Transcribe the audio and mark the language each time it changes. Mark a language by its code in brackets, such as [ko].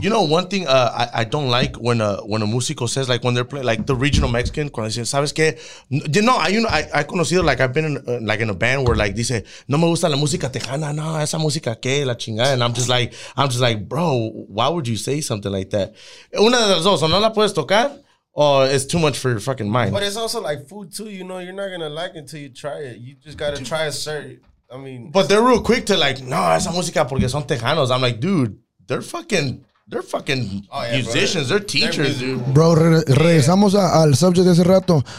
[en] You know, one thing I don't like when a músico says, like, when they're playing, like, the regional Mexican, [es] cuando dicen, ¿sabes qué? [en] You know, I've been in a band where, like, [es] dice, no me gusta la música Tejana, no, esa música qué, la chingada, [en] and I'm just like, bro, why would you say something like that? [es] Una de las dos, no la puedes tocar. [en] Oh, it's too much for your fucking mind. But it's also like food too, you know. You're not gonna like it until you try it. You just gotta try a certain. I mean, but they're real quick to like, no, [es] esa música porque son tejanos. [en] I'm like, dude, they're fucking musicians. Bro. They're teachers, they're dude. [es] Bro, regresamos al subject de ese rato.